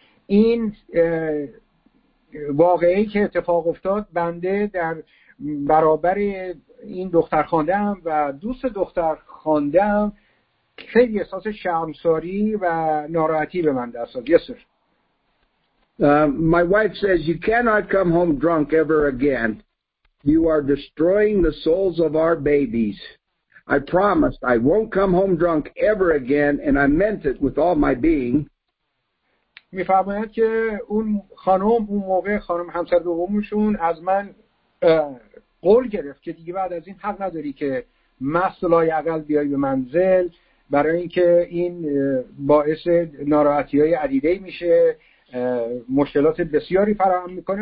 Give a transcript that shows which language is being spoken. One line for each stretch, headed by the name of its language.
Persian: این واقعی که اتفاق افتاد بنده در برابر این دختر خواندم و دوست دختر خواندم خیلی احساس شرمساری و ناراحتی به من دست داد.
English: Yes, sir. My wife says you cannot come home drunk ever again. You are destroying the souls of our babies. I promised I won't come home drunk ever again, and I meant it with all my being.
Persian: می‌فهمید که اون خانم، اون موقع خانم همسر دومشون از من قول گرفت که دیگه بعد از این حق نداری که مست لایعقل بیای به منزل، برای اینکه این باعث ناراحتی‌های عدیده‌ای میشه، مشکلات بسیاری فراهم میکنه.